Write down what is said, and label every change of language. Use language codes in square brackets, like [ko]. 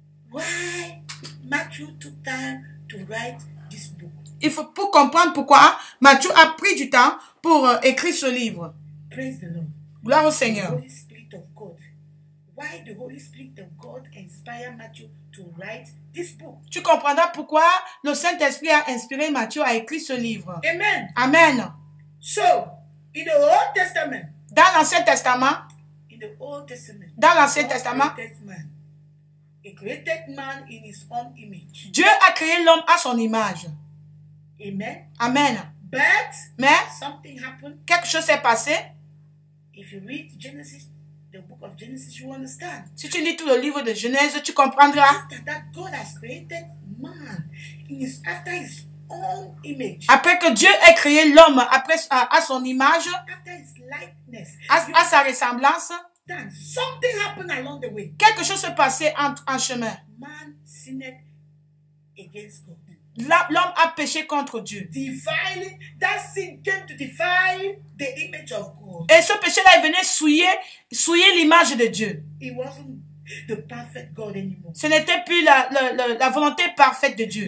[en] Why Matthew took time to write this book? [fr] Il faut pour comprendre pourquoi Matthieu a pris du temps pour écrire ce livre. [en] Praise the Lord. [fr] Gloire au Seigneur. [en] The Holy Spirit of God. Why the Holy Spirit of God inspired Matthew to write this book? [fr] Tu comprendras pourquoi le Saint-Esprit a inspiré Matthieu à écrire ce livre. [en] Amen. [fr] Amen. [en] So, in the Old Testament. [fr] Dans l'Ancien Testament. [en] In the Old Testament. [fr] Dans l'Ancien Testament. [en] He created man in his own image. [fr] Dieu a créé l'homme à son image. [en] Amen. [fr] Amen. [en] But [fr] mais [en] something happened. [fr] Quelque chose s'est passé. [en] If you read Genesis, the book of Genesis, you understand. [fr] Si tu lis tout le livre de Genèse, tu comprendras. [en] That God has created man in his after his own image. [fr] Après que Dieu ait créé l'homme après à son image. [en] After his likeness. [fr] À sa ressemblance. [en] Then something happened along the way. [fr] Quelque chose s'est passé en chemin. [en] Man sinned against God. [fr] L'homme a péché contre Dieu. [en] Divine, that sin came to defile the image of God. [fr] Et ce péché-là est venu souiller l'image de Dieu. [en] He wasn't the perfect God anymore. [fr] Ce n'était plus la volonté parfaite de Dieu.